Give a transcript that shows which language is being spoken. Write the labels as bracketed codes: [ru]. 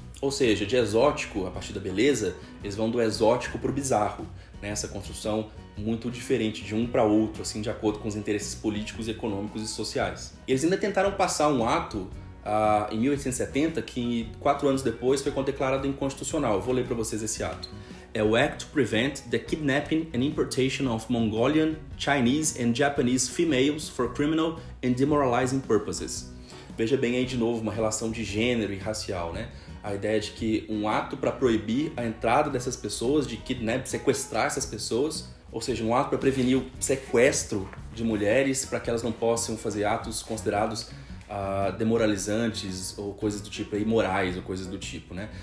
[pt] Ou seja, de exótico, a partir da beleza, eles vão do exótico pro bizarro, né? Essa construção muito diferente de um para outro, assim, de acordo com os interesses políticos, econômicos e sociais. Eles ainda tentaram passar um ato em 1870, que 4 anos depois foi declarado inconstitucional. Eu vou ler para vocês esse ato. [en] É o Act to Prevent the Kidnapping and Importation of Mongolian, Chinese and Japanese Females for Criminal and Demoralizing Purposes. [pt] Veja bem aí de novo uma relação de gênero e racial, né? A ideia de que um ato para proibir a entrada dessas pessoas, de kidnap, sequestrar essas pessoas, ou seja, um ato para prevenir o sequestro de mulheres para que elas não possam fazer atos considerados demoralizantes ou coisas do tipo, imorais ou coisas do tipo, né?